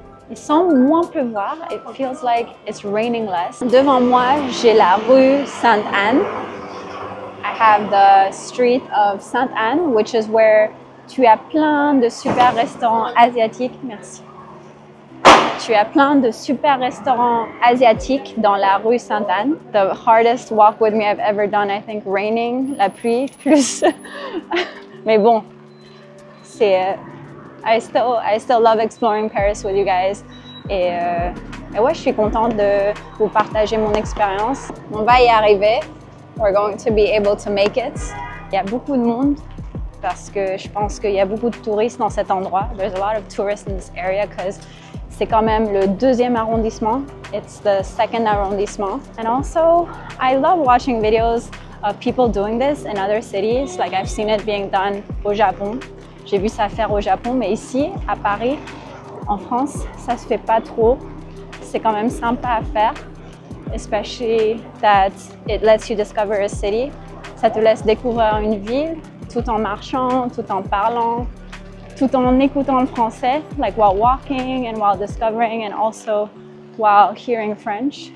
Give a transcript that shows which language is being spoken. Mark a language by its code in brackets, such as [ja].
[fr] Il semble moins pleuvoir. [en] It feels like it's raining less. [fr] Devant moi, j'ai la rue Sainte-Anne. [en] I have the street of Sainte-Anne, which is where [fr] tu as plein de super restaurants asiatiques. Merci. Tu as plein de super restaurants asiatiques dans la rue Sainte-Anne. [en] The hardest walk with me I've ever done, I think, raining, [fr] la pluie, [en] plus. [fr] Mais bon, c'est... [en] I still love exploring Paris with you guys. [fr] Et ouais, je suis contente de vous partager mon expérience. On va y arriver. [en] We're going to be able to make it. [fr] Il y a beaucoup de monde. Parce que je pense qu'il y a beaucoup de touristes dans cet endroit. [en] There's a lot of tourists in this area because [fr] c'est quand même le deuxième arrondissement. [en] It's the second arrondissement. And also, I love watching videos of people doing this in other cities. Like I've seen it being done [fr] au Japon. J'ai vu ça faire au Japon, mais ici, à Paris, en France, ça se fait pas trop. C'est quand même sympa à faire. [en] Especially that it lets you discover a city. [fr] Ça te laisse découvrir une ville. Tout en marchant, tout en parlant, tout en écoutant le français, [en] like while walking and while discovering and also while hearing French.